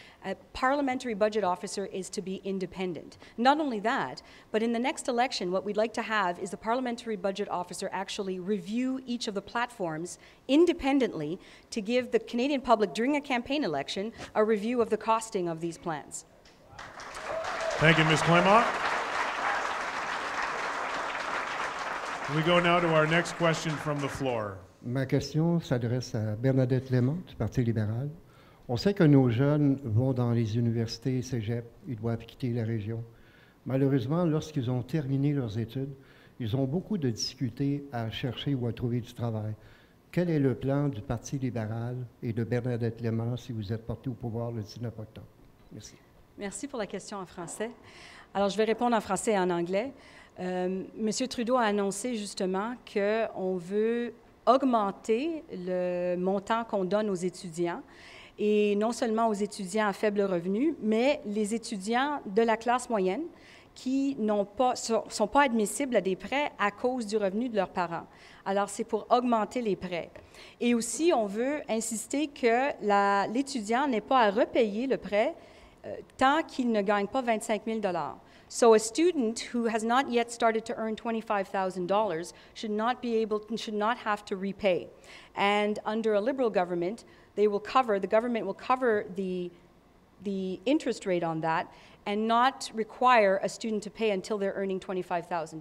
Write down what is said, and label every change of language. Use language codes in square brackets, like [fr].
[en] A parliamentary budget officer is to be independent. Not only that, but in the next election, what we'd like to have is the parliamentary budget officer actually review each of the platforms independently to give the Canadian public during a campaign election a review of the costing of these plans. Thank you, Ms. Claymont. We go now to our next question from the floor. [fr] Ma question s'adresse à Bernadette Lamont, du Parti libéral. On sait que nos jeunes vont dans les universités et cégep, ils doivent quitter la région. Malheureusement, lorsqu'ils ont terminé leurs études, ils ont beaucoup de difficultés à chercher ou à trouver du travail. Quel est le plan du Parti libéral et de Bernadette Lamont si vous êtes porté au pouvoir le 19 octobre? Merci. Merci pour la question en français. Alors, je vais répondre en français et en anglais. Monsieur Trudeau a annoncé justement qu'on veut augmenter le montant qu'on donne aux étudiants, et non seulement aux étudiants à faible revenu, mais les étudiants de la classe moyenne qui n'ont pas, sont pas admissibles à des prêts à cause du revenu de leurs parents. Alors, c'est pour augmenter les prêts. Et aussi, on veut insister que l'étudiant n'ait pas à repayer le prêt tant qu'il ne gagne pas 25 000 $. [en] So a student who has not yet started to earn $25,000 should not have to repay. And under a Liberal government, the government will cover the interest rate on that and not require a student to pay until they're earning $25,000.